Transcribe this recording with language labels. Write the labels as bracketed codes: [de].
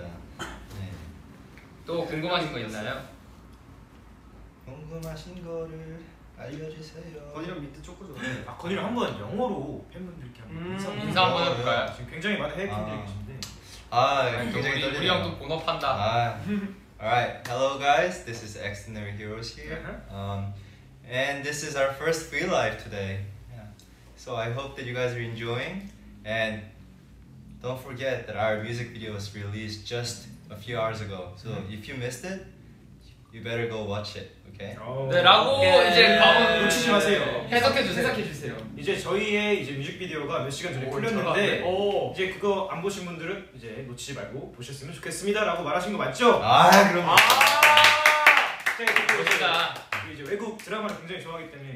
[ko] 네. 또 궁금하신 거 있나요? 궁금하신 거를 알려주세요. 건이랑 미트 초코 좋아해. 아 건이랑 한번 영어로 팬분들께 한번 인사 한번 해볼까요? 지금 굉장히 많은 해외분들 계신데. 아 굉장히 우리 우리 형도 본업한다. 아. [en] Alright, hello guys, this is Xdinary Heroes here. And this is our first VLIVE today. Yeah. So I hope that you guys are enjoying. And don't forget that our music video was released just a few hours ago. So if you missed it, you better go watch it, okay? [ko] Oh. 네, 라고 yeah. 이제 가운 놓치지 마세요. 해석해 주세요. 이제 저희의 이제 뮤직비디오가 몇 시간 전에 풀렸는데 이제 그거 안 보신 분들은 이제 놓치지 말고 보셨으면 좋겠습니다라고 말하신 거 맞죠? 아, 그럼. 아. 멋있다. 이제 외국 드라마를 굉장히 좋아하기 때문에